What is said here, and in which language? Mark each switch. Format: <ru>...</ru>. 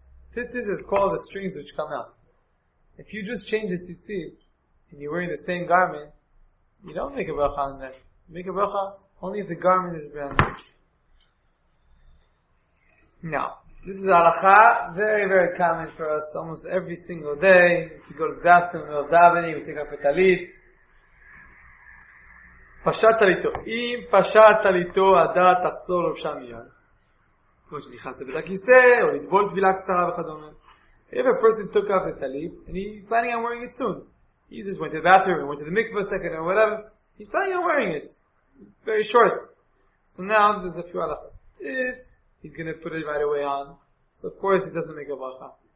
<en>Tzitzis is called the strings which come out. If you just change the tzitzit and you're wearing the same garment, you don't make a bracha on that. You make a bracha only if the garment is brand new. Now, this is halacha, very, very common for us almost every single day. If you go to the bathroom, we'll daveni, we take up a talit.</en> <he>פשט תליטו. אם פשט תליטו, הדעת תחזור לובשה מיד. כמו שנכנסת בית הכיסא, או לטבול טבילה קצרה וכדומה.</he> <en>If a person took off the talit, and he's planning on wearing it soon. He just went to the bathroom, and went to the mikvah a second, or whatever. He's planning on wearing it. Very short. So now, there's a few halachot. If he's going to put it right away on, so of course, he doesn't make a bracha.</en>